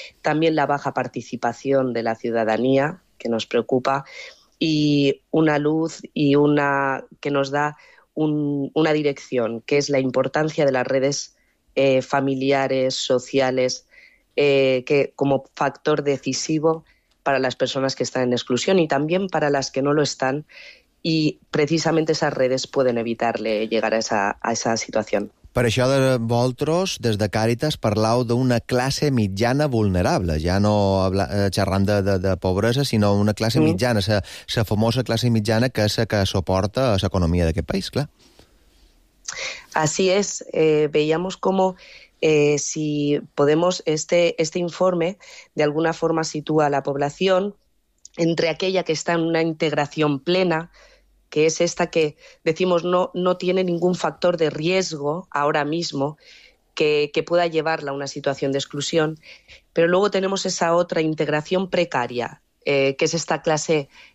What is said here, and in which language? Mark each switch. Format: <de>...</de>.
<es>También la baja participación de la ciudadanía, que nos preocupa, y una luz y una que nos da una dirección, que es la importancia de las redes familiares, sociales, que como factor decisivo para las personas que están en exclusión y también para las que no lo están, y precisamente esas redes pueden evitarle llegar a esa situación.</es> <ca>Per això de vosaltres, des de Càritas, parlau d'una classe mitjana vulnerable, ja no xerrant de pobresa, sinó una classe mitjana, la famosa classe mitjana que és la que suporta l'economia d'aquest país, clar.</ca> <es>Así es. Veíamos cómo, si podemos, este informe de alguna forma sitúa a la población entre aquella que está en una integración plena, que es esta que decimos no tiene ningún factor de riesgo ahora mismo que pueda llevarla a una situación de exclusión, pero luego tenemos esa otra integración precaria, que es esta clase</es>